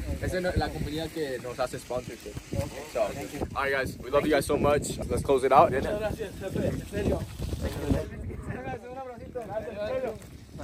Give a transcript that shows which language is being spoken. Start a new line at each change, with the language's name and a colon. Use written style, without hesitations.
Spanish: Esa es la compañía que nos hace sponsorship.
English: Okay. So, alright guys, we love you guys so much. Let's close it out.
Spanish: Muchas gracias, jefe. En serio. Un abrazo. Gracias, en serio.